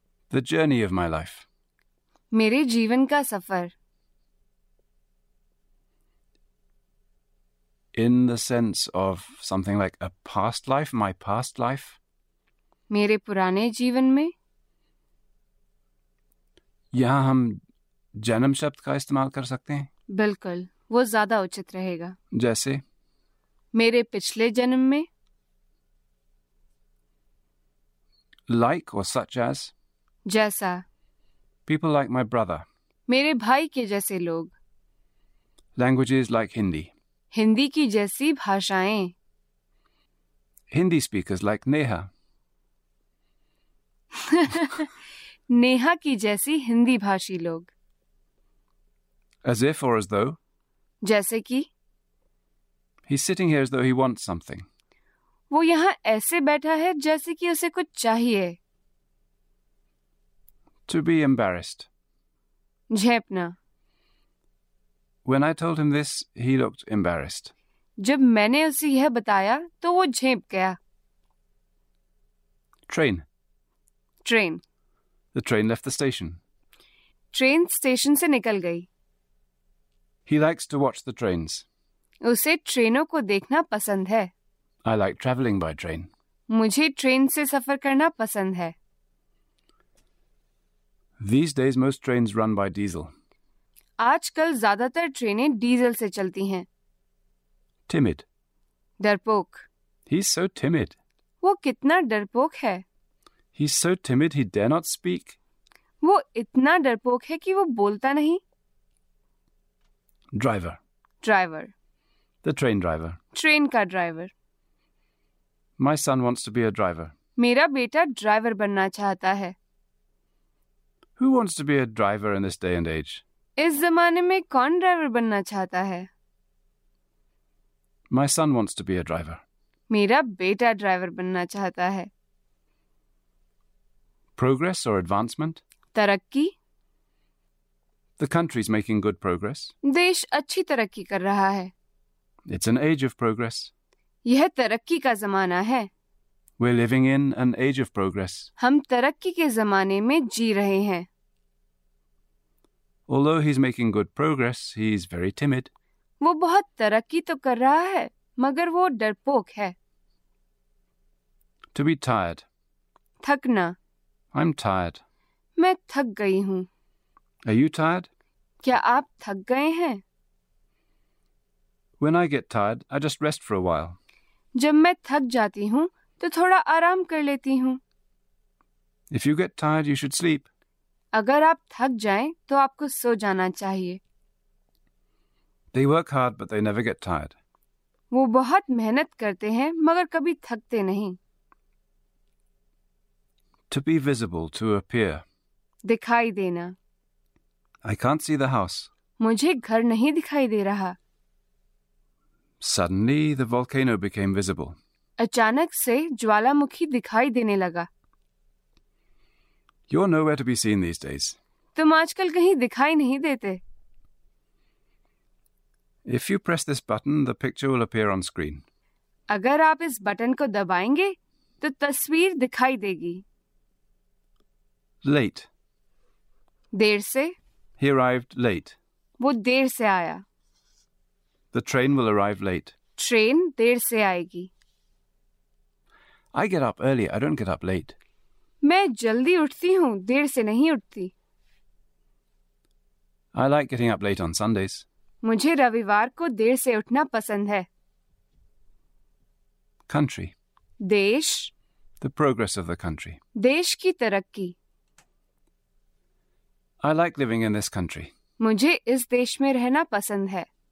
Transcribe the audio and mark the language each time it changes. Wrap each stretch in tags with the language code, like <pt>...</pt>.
<en>The journey of my life.</en> <hi>Mere jeevan ka safar.</hi> <en>In the sense of something like a past life, my past life.</en> <hi>मेरे पुराने जीवन में यहां हम जन्म शब्द का इस्तेमाल कर सकते हैं बिल्कुल वो ज्यादा उचित रहेगा जैसे मेरे पिछले जन्म में</hi> <en>like or such as</en> <hi>जैसा</hi> <en>people like my brother</en> <hi>मेरे भाई के जैसे लोग</hi> <en>languages like hindi</en> <hi>हिंदी की जैसी भाषाएं</hi> <en>hindi speakers like neha</en> <hi>Neha की जैसी हिंदी भाषी लोग</hi> <en>As if or as though</en> <hi>जैसे कि</hi> <en>He's sitting here as though he wants something</en> <hi>वो यहां ऐसे बैठा है जैसे कि उसे कुछ चाहिए</hi> <en>To be embarrassed</en> <hi>झेपना</hi> <en>When I told him this he looked embarrassed</en> <hi>जब मैंने उसे यह बताया तो वो झेप गया</hi> <en>Train Train. The train left the station.</en> <hi>Train station se nikal gayi.</hi> <en>He likes to watch the trains.</en> <hi>Usse trainon ko dekhna pasand hai.</hi> <en>I like travelling by train.</en> <hi>Mujhe train se safar karna pasand hai.</hi> <en>These days most trains run by diesel.</en> <hi>Aajkal zyadatar trainen diesel se chalti hain.</hi> <en>Timid.</en> <hi>Darpok.</hi> <en>He's so timid.</en> <hi>Wo kitna darpok hai.</hi> <en>He's so timid he dare not speak.</en> <hi>वो इतना डरपोक है कि वो बोलता नहीं.</hi> <en>Driver. Driver. The train driver.</en> <hi>Train का driver.</hi> <en>My son wants to be a driver.</en> <hi>मेरा बेटा driver बनना चाहता है.</hi> <en>Who wants to be a driver in this day and age?</en> <hi>इस जमाने में कौन driver बनना चाहता है?</hi> <en>My son wants to be a driver.</en> <hi>मेरा बेटा driver बनना चाहता है.</hi> <en>Progress or advancement?</en> <hi>Tarakki.</hi> <en>The country's making good progress.</en> <hi>Desh achhi tarakki kar raha hai.</hi> <en>It's an age of progress.</en> <hi>Yeh tarakki ka zamana hai.</hi> <en>We're living in an age of progress.</en> <hi>Hum tarakki ke zamane mein jee rahe hain.</hi> <en>Although he's making good progress, he's very timid.</en> <hi>Woh bahut tarakki to kar raha hai, magar woh darpok hai.</hi> <en>To be tired.</en> <hi>Thakna.</hi> <en>I'm tired.</en> <hi>मैं थक गई हूँ.</hi> <en>Are you tired?</en> <hi>क्या आप थक गए हैं?</hi> <en>When I get tired, I just rest for a while.</en> <hi>जब मैं थक जाती हूँ, तो थोड़ा आराम कर लेती हूँ।</hi> <en>If you get tired, you should sleep.</en> <hi>अगर आप थक जाएं, तो आपको सो जाना चाहिए।</hi> <en>They work hard, but they never get tired.</en> <hi>वो बहुत मेहनत करते हैं, मगर कभी थकते नहीं।</hi> <en>To be visible, to appear.</en> <hi>दिखाई देना।</hi> <en>I can't see the house.</en> <hi>मुझे घर नहीं दिखाई दे रहा।</hi> <en>Suddenly, the volcano became visible.</en> <hi>अचानक से ज्वालामुखी दिखाई देने लगा।</hi> <en>You're nowhere to be seen these days.</en> <hi>तुम आजकल कहीं दिखाई नहीं देते।</hi> <en>If you press this button, the picture will appear on screen.</en> <hi>अगर आप इस बटन को दबाएंगे, तो तस्वीर दिखाई देगी।</hi> <en>Late.</en> <hi>देर से।</hi> <en>He arrived late.</en> <hi>वो देर से आया।</hi> <en>The train will arrive late.</en> <hi>Train देर से आएगी।</hi> <en>I get up early. I don't get up late.</en> <hi>मैं जल्दी उठती हूँ, देर से नहीं उठती।</hi> <en>I like getting up late on Sundays.</en> <hi>मुझे रविवार को देर से उठना पसंद है।</hi> <en>Country.</en> <hi>देश।</hi> <en>The progress of the country.</en> <hi>देश की तरक्की।</hi> <en>I like living in this country.</en> <hi>मुझे इस देश में रहना पसंद है।</hi>